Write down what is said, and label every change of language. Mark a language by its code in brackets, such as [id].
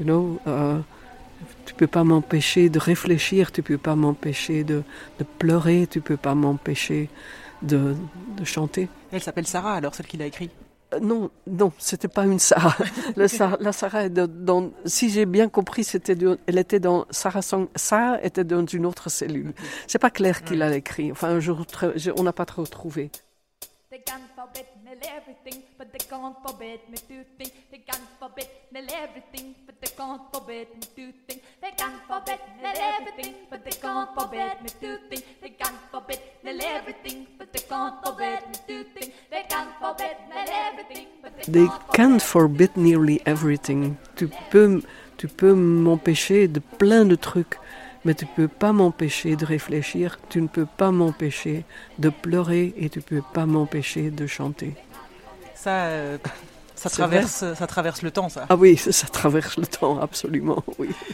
[fr] You know, tu ne peux pas m'empêcher de réfléchir, tu ne peux pas m'empêcher de pleurer, tu ne peux pas m'empêcher de chanter. Elle s'appelle Sarah alors, celle qui l'a écrit. Non, c'était pas une Sarah. La Sarah est dans, si j'ai bien compris, elle était dans Sarah Song. Sarah était dans une autre cellule. C'est pas clair qui l'a écrit. Enfin, on n'a pas trop trouvé. [en] They can forbid nearly everything, but they can't forbid me to think. They can forbid nearly everything, but they can't forbid me to think. They can forbid nearly everything, but they can't forbid me to think. They can forbid nearly everything, but they can't forbid me to think. They can forbid nearly everything, but they can't forbid nearly everything. [fr] Tu peux m'empêcher de plein de trucs. Mais tu ne peux pas m'empêcher de réfléchir, tu ne peux pas m'empêcher de pleurer et tu ne peux pas m'empêcher de chanter. Ça traverse le temps, ça. Ah oui, ça traverse le temps, absolument, oui.